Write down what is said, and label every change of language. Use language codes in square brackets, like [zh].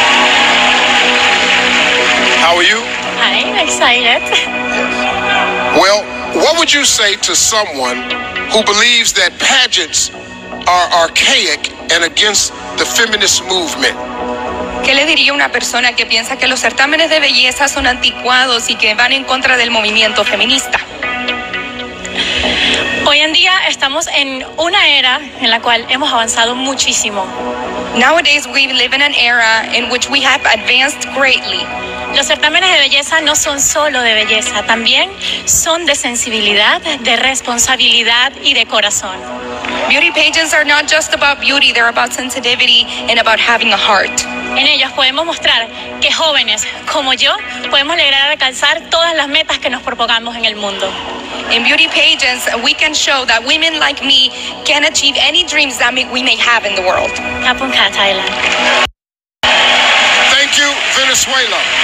[en] How are you? Hi, I'm excited. Well, what would you say to someone who believes that pageants are archaic and against the feminist movement? [es] ¿Qué le diría una persona que piensa que los certámenes de belleza son anticuados y que van en contra del movimiento feminista? Hoy en día estamos en una era en la cual hemos avanzado muchísimo. [en] Nowadays we live in an era in which we have advanced greatly. [es] Los certámenes de belleza no son solo de belleza, también son de sensibilidad, de responsabilidad y de corazón. [en] Beauty pageants are not just about beauty, they're about sensitivity and about having a heart. [es] En ellas podemos mostrar que jóvenes como yo podemos lograr alcanzar todas las metas que nos propongamos en el mundo. [en] In beauty pageants, we can show that women like me can achieve any dreams that we may have in the world. Kapunka, Thailand. Thank you, Venezuela.